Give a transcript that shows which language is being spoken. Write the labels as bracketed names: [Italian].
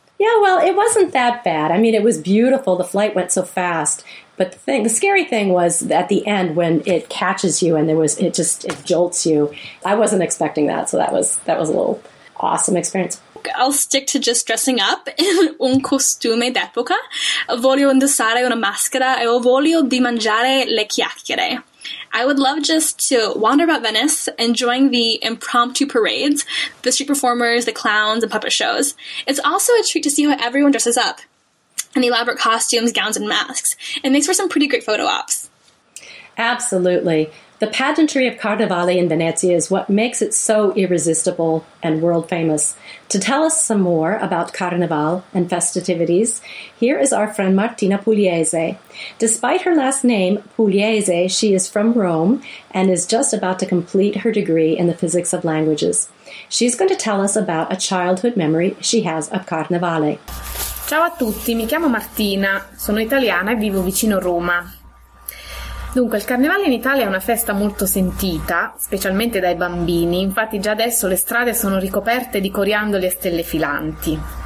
[English] Yeah, well, it wasn't that bad. I mean, it was beautiful. The flight went so fast. But the scary thing was at the end when it catches you and it jolts you. I wasn't expecting that, so that was a little awesome experience. I'll stick to just dressing up in [Italian] un costume d'epoca. Voglio indossare una maschera e voglio di mangiare le chiacchiere. [English] I would love just to wander about Venice, enjoying the impromptu parades, the street performers, the clowns, and puppet shows. It's also a treat to see how everyone dresses up, in the elaborate costumes, gowns, and masks. It makes for some pretty great photo ops. Absolutely. The pageantry of Carnevale in Venezia is what makes it so irresistible and world famous. To tell us some more about Carnival and festivities, here is our friend Martina Pugliese. Despite her last name, Pugliese, she is from Rome and is just about to complete her degree in the physics of languages. She's going to tell us about a childhood memory she has of Carnevale. [Italian] Ciao a tutti, mi chiamo Martina, sono italiana e vivo vicino Roma. Dunque, il Carnevale in Italia è una festa molto sentita, specialmente dai bambini, infatti già adesso le strade sono ricoperte di coriandoli e stelle filanti.